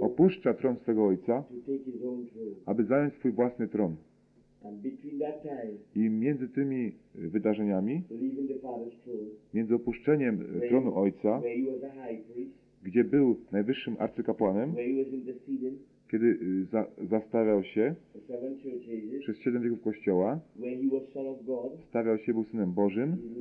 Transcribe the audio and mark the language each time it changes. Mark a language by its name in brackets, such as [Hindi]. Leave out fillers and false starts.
[Polish] opuszcza tron swego ojca, [English] to take his own throne, [Polish] aby zająć swój własny tron. [English] And between that time, [Polish] i między tymi wydarzeniami, [English] leaving the father's throne, [Polish] między opuszczeniem [English] where, [Polish] tronu ojca, [English] where he was a high priest, [Polish] gdzie był najwyższym arcykapłanem, kiedy zastawiał się przez 7 wieków Kościoła, stawiał się, był Synem Bożym,